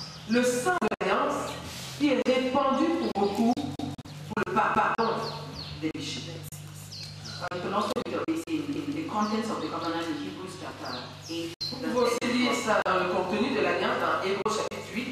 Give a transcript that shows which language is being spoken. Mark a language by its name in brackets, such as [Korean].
[French] Le sang de l'alliance qui est répandu pour beaucoup pour le pardon des péchés. [English] We can also read this in the contents of the covenant in Hebrews chapter 8. [French] Vous pouvez aussi lire ça dans le contenu de l'alliance dans Hébreux chapitre 8.